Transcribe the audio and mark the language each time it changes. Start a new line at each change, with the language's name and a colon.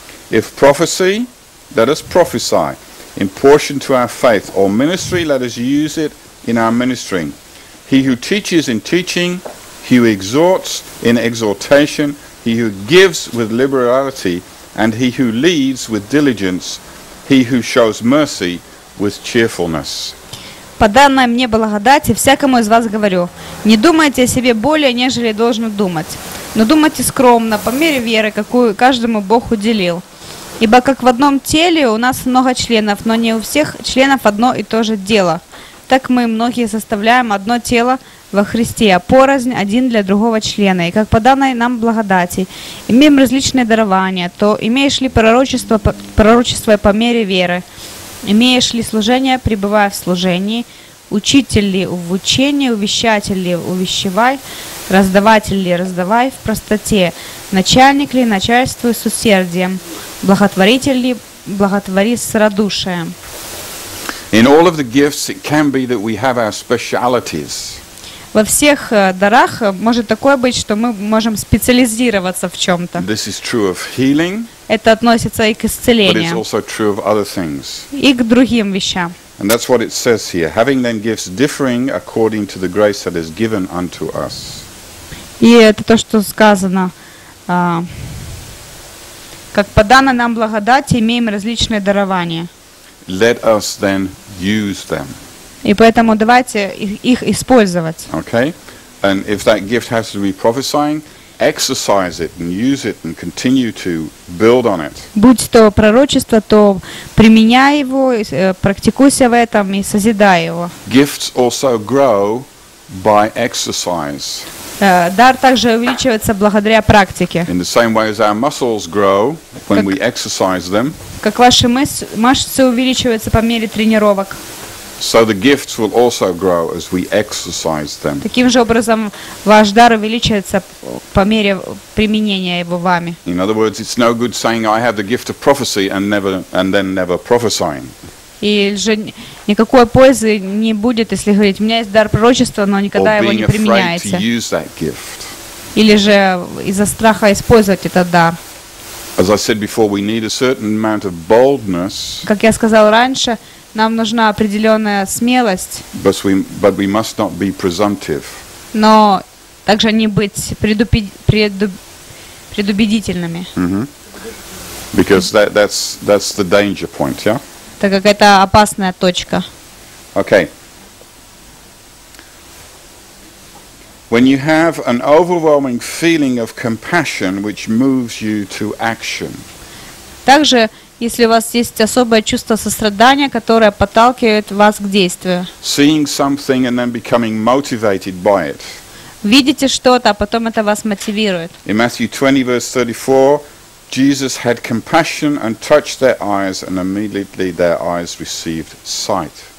English: If prophecy, let us prophesy in portion to our faith, or ministry, let us use it in our ministering. He who teaches in teaching, he who exhorts in exhortation, he who gives with liberality, and he who leads with diligence, he who shows mercy with cheerfulness.
Russian: По данной мне благодати всякому из вас говорю, не думайте о себе более, нежели должно думать, но думайте скромно, по мере веры, какую каждому Бог уделил. Ибо как в одном теле у нас много членов, но не у всех членов одно и то же дело. Так мы многие составляем одно тело во Христе, а порознь один для другого члена. И как по данной нам благодати имеем различные дарования, то имеешь ли пророчество, пророчество по мере веры? Имеешь ли служение, пребывая в служении? Учитель ли в учении, увещатель ли увещевай, раздаватель ли раздавай в простоте, начальник ли начальствуй с усердием, благотворитель ли благотвори с радушием.
English: In all of the gifts it can be that we have our specialities.
Russian: Во всех дарах может такое быть, что мы можем специализироваться в чем-то.
English: This is true of healing,
Russian: это относится и к исцелению,
English: but it's also true of other things.
Russian: И к другим вещам.
English: And that's what it says here, having then gifts differing according to the grace that is given unto us.
Russian: И это то, что сказано. Как по данной нам благодати имеем различные дарования.
English: Let us then use them.
Russian: И поэтому давайте их использовать.
English: Okay. And if that gift has to be prophesying, exercise it and use it and continue to build on it.
Russian: Будь то пророчество, то применяй его, практикуйся в этом и созидай его.
English: Gifts also grow by exercise.
Russian: Дар также увеличивается благодаря практике.
English: In the same way as our muscles grow when we exercise them.
Russian: Как ваши мышцы увеличиваются по мере тренировок.
English: So the gifts will also grow as we exercise them.
Russian: Таким же образом ваш дар увеличивается по мере применения его вами.
English: In other words, it's no good saying I have the gift of prophecy and then never prophesying.
Russian: И же никакой пользы не будет, если говорить, у меня есть дар пророчества, но никогда его не применяется.
English: Or being afraid to use that gift.
Russian: Или же из-за страха использовать этот дар.
English: As I said before, we need a certain amount of boldness.
Russian: Как я сказал раньше, нам нужна определенная смелость.
English: But we must not be presumptive.
Russian: Но также не быть предубедительными.
English: Mm-hmm. Because that's the danger point, yeah?
Russian: Так как это опасная точка.
English: Okay. When you have an overwhelming feeling of compassion which moves you to action.
Russian: Также если у вас есть особое чувство сострадания, которое подталкивает вас к действию.
English: Seeing something and then becoming motivated by it.
Russian: Видите что-то, а потом это вас мотивирует.
English: In Matthew 20, verse 34, Jesus had compassion and touched their eyes, and immediately their eyes received sight.